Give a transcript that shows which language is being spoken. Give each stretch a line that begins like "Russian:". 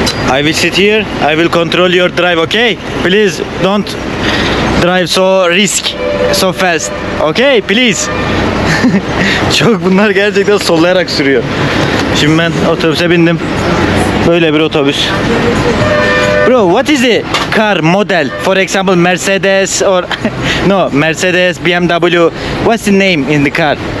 English: I will sit here. I will control your drive, okay? Please don't drive so risk so fast. Okay, please.
Turkish: Çok bunlar gerçekten sollayarak sürüyor. Şimdi ben otobüse bindim. Böyle bir otobüs.
English: Bro, what is the car model? For example, Mercedes or no, Mercedes, BMW. What's the name in the car?